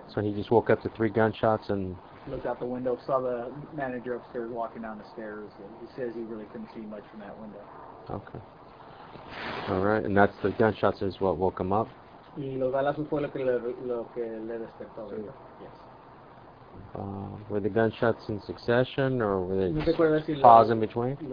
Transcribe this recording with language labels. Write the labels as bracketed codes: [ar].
[en] So he just woke up to 3 gunshots and... looked out the window, saw the manager upstairs walking down the stairs. And he says he really couldn't see much from that window. Okay. All right, and that's the gunshots is what woke him up? [es] Y los balazos fue lo que le despertó. Sí. [en] Yes. Were the gunshots in succession, or were they pause in between?